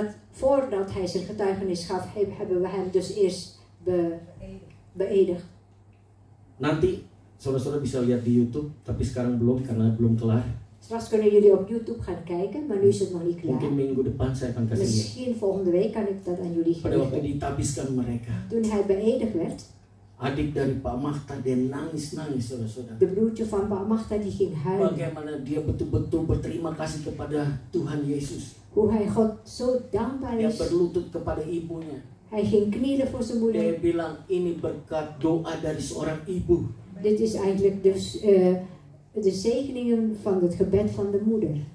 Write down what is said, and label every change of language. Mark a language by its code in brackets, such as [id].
[nl] Voordat hij zijn getuigenis gaf, hebben we hem dus eerst beëdigd. [id] Nanti saudara-saudara bisa lihat di YouTube, tapi sekarang belum karena belum kelar. [nl] Straks kunnen jullie op YouTube gaan kijken, maar nu is het nog niet klaar. [id] Mungkin minggu depan saya akan kasih. [nl] Misschien volgende week kan ik dat aan jullie geven. [id] Pada waktu ditabiskan mereka. [nl] Toen hij beëdigd werd. [id] Adik dari Pak Mahta dia nangis-nangis, saudara-saudara. [nl] De broertje van Pak Mahta die ging huilen. [id] Bagaimana dia betul-betul berterima kasih kepada Tuhan Yesus. [nl] Hoe hij God zo dankbaar is. [id] Dia berlutut kepada ibunya. [nl] Hij ging knielen voor zijn moeder. [id] Dia bilang ini berkat doa dari seorang ibu. [nl] Dit is eigenlijk dus de zegeningen van het gebed van de moeder.